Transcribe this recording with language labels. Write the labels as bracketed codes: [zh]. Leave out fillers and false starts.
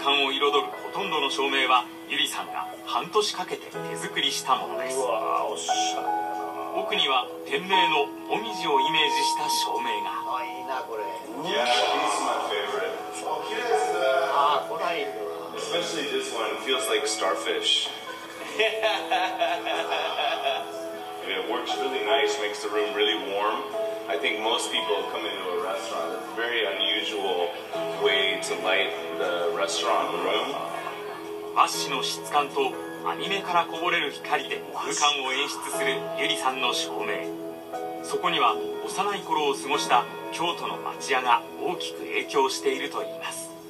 [ja] 空間を彩るほとんどの照明はゆりさんが半年かけて手作りしたものです。うわ、おしゃれ。奥には店名のもみじをイメージした照明が。あ、いいなこれ。 [en] Yeah, this is my favorite. [ja] 綺麗ですね。あ、これいいな。 [en] Especially this one feels like starfish. It works really nice, makes the room really warm. I think most people come into a restaurant, it's a very unusual way to light the restaurant room. [ja] 和紙の質感とアニメからこぼれる光で空間を演出するユリさんの照明。そこには幼い頃を過ごした京都の町屋が大きく影響しているといいます。